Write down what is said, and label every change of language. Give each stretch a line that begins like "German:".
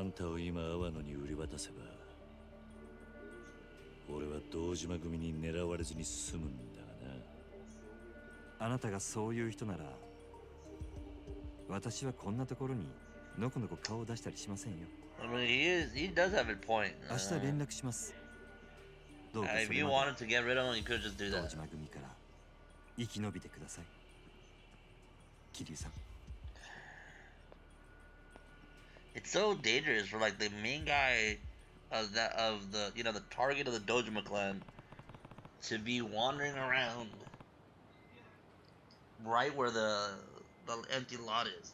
Japanese: あんたを今阿波野に売り渡せば、俺は堂島組に狙われずに済むんだがな。あなたがそういう人なら、私はこんなところにのこのこ顔を出したりしませんよ。
English: I mean, he does have a point.
Japanese: 明日連絡します。どうかそれまで。
English: If you wanted to get rid of him, you could just do that.
Japanese: 堂島組から生き延びてください。桐生さん。
English: It's so dangerous for like the main guy of that of the you know the target of the Dojima clan to be wandering around right where the empty lot is.